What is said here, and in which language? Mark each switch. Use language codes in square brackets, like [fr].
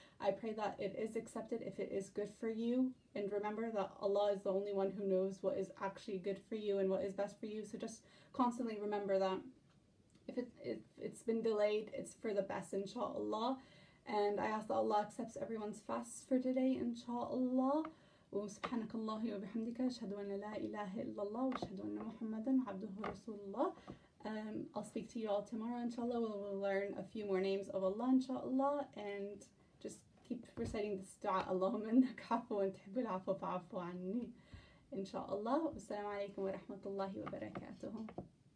[en] I pray that it is accepted if it is good for you. And remember that Allah is the only one who knows what is actually good for you and what is best for you. So just constantly remember that if it's been delayed, it's for the best, inshallah. And I ask that Allah accepts everyone's fasts for today, inshallah. [ar] سبحانك الله وبحمدك أشهد أن لا إله إلا الله وأشهد أن محمدا عبده رسول الله. [en] I'll speak to you all tomorrow, inshallah. We'll learn a few more names of Allah, inshallah, and just keep reciting this dua. [ar] اللهم إنك عفو تحب العفو فاعف عني, inshallah. والسلام عليكم ورحمة الله وبركاته.